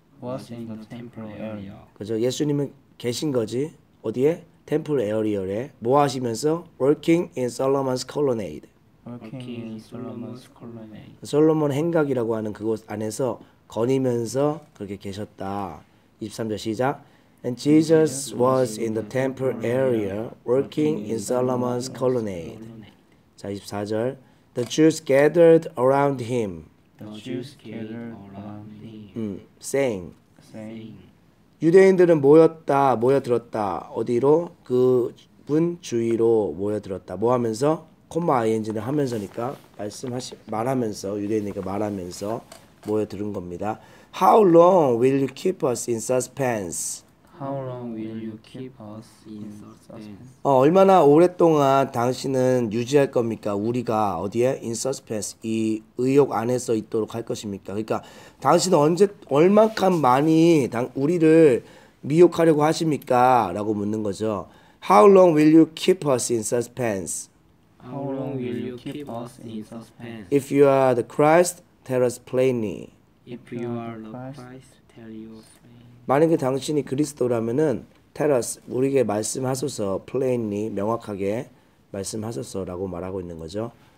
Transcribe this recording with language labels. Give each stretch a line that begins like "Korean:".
English: Was in the temple area.
Korean: 그죠? 예수님은 계신 거지. 어디에? 템플 에어리얼에 뭐 하시면서
English: working in Solomon's colonnade. working in Solomon's colonnade.
Korean: 솔로몬 행각이라고 하는 그곳 안에서 거니면서 그렇게 계셨다. 23절 시작.
English: And Jesus was in the temple area working in Solomon's colonnade.
Korean: 자, 24절.
English: The Jews gathered around him. The Jews gathered around him. saying. saying.
Korean: 유대인들은 모였다, 모여들었다. 어디로? 그분 주위로 모여들었다. 뭐 하면서? 콤마 ing를 하면서니까 말하면서 유대인에게 말하면서 모여들은 겁니다.
English: How long will you keep us in suspense? How long will you keep us in suspense?
Korean: 얼마나 오랫동안 당신은 유지할 겁니까? 우리가 어디에?
English: In suspense.
Korean: 이 의욕 안에서 있도록 할 것입니까? 그러니까 당신은 언제 얼만큼 많이 우리를 미혹하려고 하십니까? 라고 묻는 거죠.
English: How long will you keep us in suspense? How long will you keep us in suspense? If you are the Christ, tell us plainly. If you are the Christ, tell us plainly.
Korean: 만약에 당신이 그리스도라면은
English: tell us,
Korean: 우리에게 말씀하소서, plainly, 명확하게 말씀하소서 라고 말하고 있는 거죠.